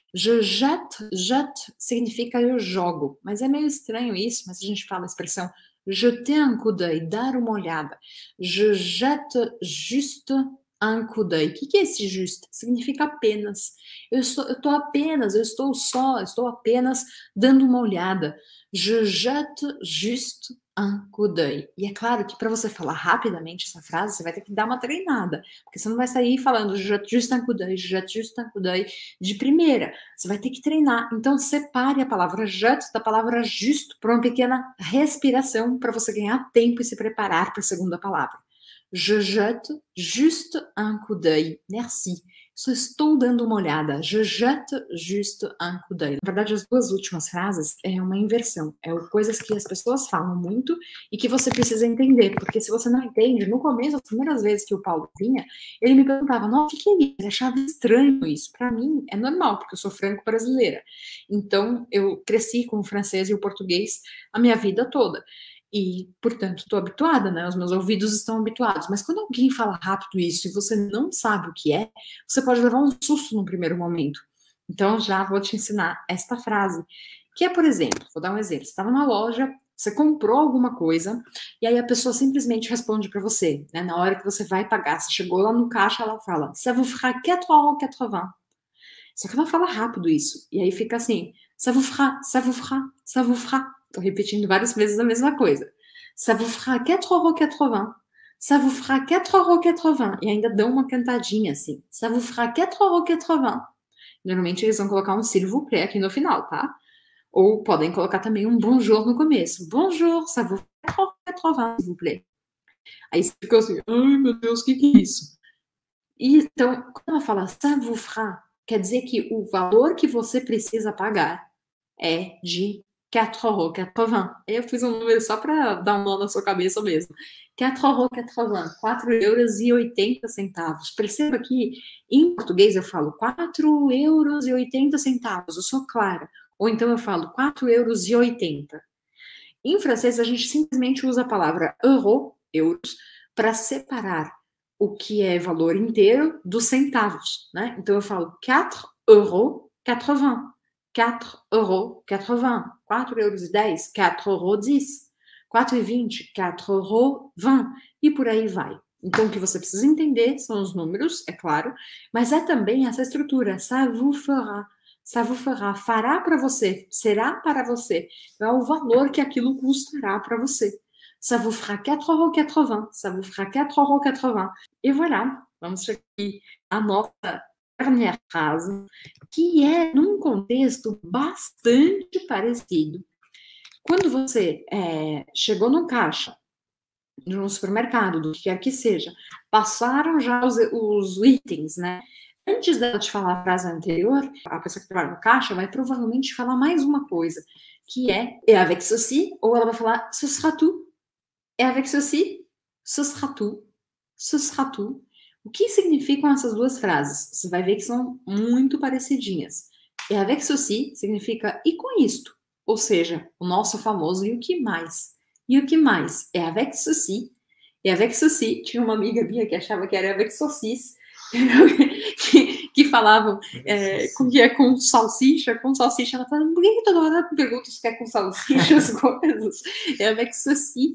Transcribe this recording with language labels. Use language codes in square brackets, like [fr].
[fr] Je jette, [pt] jette significa eu jogo, mas é meio estranho isso, mas a gente fala a expressão [fr] jeter un coup d'œil, [pt] dar uma olhada. [fr] Je jette juste un coup d'œil. [pt] O que é esse juste? Significa apenas. Eu estou apenas dando uma olhada. [fr] Je jette juste un coup d'œil. [pt] E é claro que para você falar rapidamente essa frase, você vai ter que dar uma treinada. Porque você não vai sair falando [fr] je jette juste un coup d'œil, [pt] je jette juste un coup d'œil de primeira. Você vai ter que treinar. Então separe a palavra jette da palavra juste para uma pequena respiração para você ganhar tempo e se preparar para a segunda palavra. [fr] Je jette juste un coup d'œil. Merci. [pt] Só estou dando uma olhada. [fr] Je jette juste un coup d'œil. [pt] Na verdade, as duas últimas frases é uma inversão. É coisas que as pessoas falam muito e que você precisa entender. Porque se você não entende, no começo, as primeiras vezes que o Paulo vinha, ele me perguntava, nossa, o que é isso? Ele achava estranho isso. Para mim, é normal, porque eu sou franco-brasileira. Então, eu cresci com o francês e o português a minha vida toda. E, portanto, estou habituada, né? Os meus ouvidos estão habituados. Mas quando alguém fala rápido isso e você não sabe o que é, você pode levar um susto no primeiro momento. Então, já vou te ensinar esta frase. Que é, por exemplo, vou dar um exemplo. Você estava numa loja, você comprou alguma coisa, e aí a pessoa simplesmente responde para você, né? Na hora que você vai pagar, você chegou lá no caixa, ela fala, [fr] ça vous fera 4,80 €. [pt] Só que ela fala rápido isso. E aí fica assim, [fr] ça vous fera, ça vous fera, ça vous fera. [pt] Tô repetindo várias vezes a mesma coisa. [fr] Ça vous fera 4,80 €. Ça vous fera 4,80 €. [pt] E ainda dão uma cantadinha assim. [fr] Ça vous fera 4,80 €. [pt] Normalmente eles vão colocar um [fr] s'il vous plaît [pt] aqui no final, tá? Ou podem colocar também um bonjour no começo. [fr] Bonjour, ça vous fera 4,80 €, s'il vous plaît. [pt] Aí você fica assim, ai meu Deus, o que, que é isso? E então, quando ela fala [fr] ça vous fera, [pt] quer dizer que o valor que você precisa pagar é de 4,80 €. Eu fiz um número só para dar um nó na sua cabeça mesmo. 4,80 €. 4,80 €. Perceba que em português eu falo 4,80 €. Eu sou clara. Ou então eu falo 4,80 €. Em francês a gente simplesmente usa a palavra euro, euros, para separar o que é valor inteiro dos centavos, né? Então eu falo 4,80 €. 4,80 €. 4,10 €. 4,10 €. 4,20 €. 4,20 €. E por aí vai. Então, o que você precisa entender são os números, é claro. Mas é também essa estrutura. [fr] Ça vous fera. Ça vous fera. [pt] Fará para você. Será para você. É o valor que aquilo custará para você. [fr] Ça vous fera 4,80 €. Ça vous fera 4,80 €. E voilà. [pt] Vamos chegar aqui à nota. Minha frase, que é num contexto bastante parecido. Quando você chegou no caixa de um supermercado, do que quer que seja, passaram já os itens, né? Antes dela te falar a frase anterior, a pessoa que trabalha no caixa vai provavelmente falar mais uma coisa, que é é [fr] avec ceci, [pt] ou ela vai falar [fr] ce sera tout. É avec ceci, ce sera tout, ce sera tout. [pt] O que significam essas duas frases? Você vai ver que são muito parecidinhas. [fr] E avec ceci [pt] significa e com isto. Ou seja, o nosso famoso e o que mais? E o que mais? É [fr] avec ceci. [pt] E [fr] avec ceci, [pt] tinha uma amiga minha que achava que era [fr] avec saucis. [pt] Que falavam com que é com salsicha. Com salsicha. Ela fala, por que toda hora pergunta se quer com salsicha as coisas? É [fr] avec ceci.